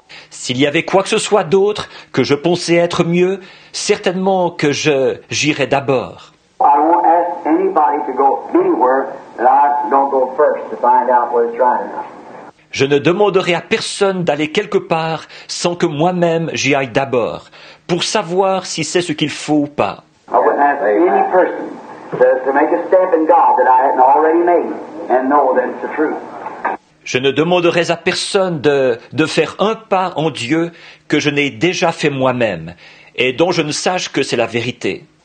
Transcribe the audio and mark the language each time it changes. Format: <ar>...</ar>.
<fr>S'il y avait quoi que ce soit d'autre que je pensais être mieux, certainement que j'irais d'abord.</fr> <en>I won't ask anybody to go anywhere that I don't go first to find out where it's dry enough.</en> <fr>Je ne demanderai à personne d'aller quelque part sans que moi-même j'y aille d'abord, pour savoir si c'est ce qu'il faut ou pas.</fr> <en>I wouldn't ask any person to make a step in God that I hadn't already made and know that it's the truth.</en> <fr>Je ne demanderai à personne de faire un pas en Dieu que je n'ai déjà fait moi-même et dont je ne sache que c'est la vérité.</fr>